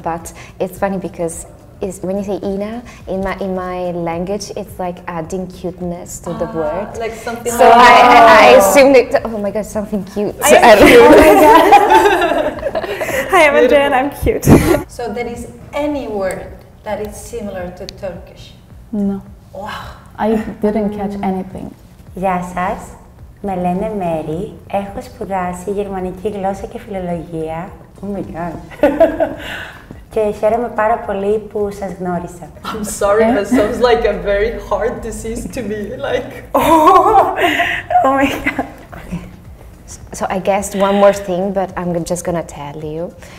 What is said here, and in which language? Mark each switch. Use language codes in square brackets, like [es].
[en] But it's funny because it's, when you say Ina in my language, it's like adding cuteness to the word. Like something. So I assumed it. Oh my god, something cute. I oh my god. Hi, I'm Andrea. I'm cute. So there is any word that is similar to Turkish? No. Wow. I didn't catch anything. Yes, us. [el] Με λένε Μέρι, έχω σπουδάσει γερμανική γλώσσα και φιλολογία. [en] Oh my god. [el] Και χαίρομαι πάρα πολύ που σας γνώρισα. [en] I'm sorry, that sounds like a very hard disease to me. Like, oh, oh my god. Okay. So I guessed one more thing, but I'm just gonna tell you.